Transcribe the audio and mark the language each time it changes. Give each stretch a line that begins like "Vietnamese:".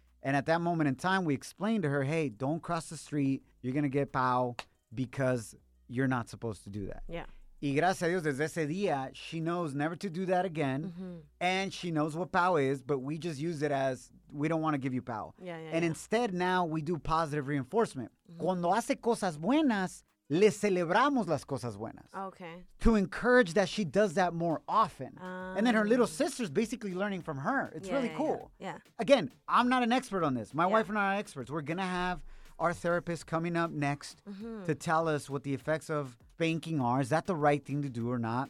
English: And at that moment in time, we explained to her, hey, don't cross the street. You're going to get pow because you're not supposed to do that. Yeah.
Spanish: Y gracias a Dios, desde ese día,
English: she knows never to do that again. Mm-hmm. And she knows what pow is, but we just use it as, we don't want to give you pow. Yeah, yeah. And yeah. instead, now we do positive reinforcement. Mm-hmm.
Spanish: Cuando hace cosas buenas, le celebramos las cosas buenas.
English: Okay. To encourage that she does that more often. And then her little sister's basically learning from her. It's really cool. Yeah. Again, I'm not an expert on this. My wife and I are experts. We're going to have our therapist coming up next mm-hmm. to tell us what the effects of spanking are. Is that the right thing to do or not?